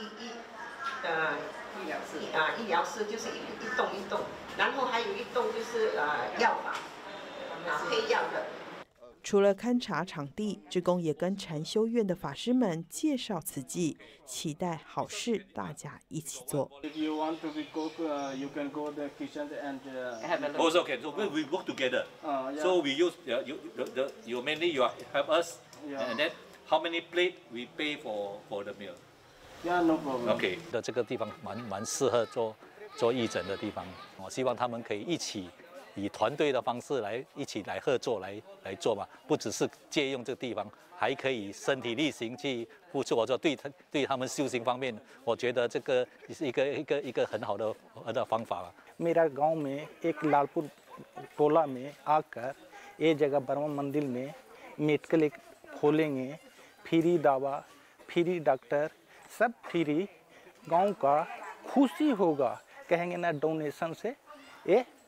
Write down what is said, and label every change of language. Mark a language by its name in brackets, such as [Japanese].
[Chinese] 医疗室。医疗室就是一栋一栋，然后还有一栋就是药房，配药的。除了勘察场地，志工也跟禅修院的法师们介绍慈济，期待好事大家一起做。 [English] If you want to be cook, you can go to the kitchen and have a look. Also, okay, so we work together. So we use your menu, you help us. Yeah. And then how many plate we pay for the meal? Yeah, no problem. Okay, [Chinese] 的这个地方蛮适合做义诊的地方。我希望他们可以一起。以团队的方式来一起来合作来做嘛，不只是借用这个地方，还可以身体力行去付出。我说对他们修行方面，我觉得这个是一个很好的方法啊。 [Hindi] मेरा गांव में एक लालपुर टोला में आकर ये जगह Burma मंदिर में मेडिकल एक खोलेंगे, फ्री दवा, फ्री डॉक्टर, सब फ्री, गांव का खुशी होगा, कहेंगे ना डोनेशन से ये。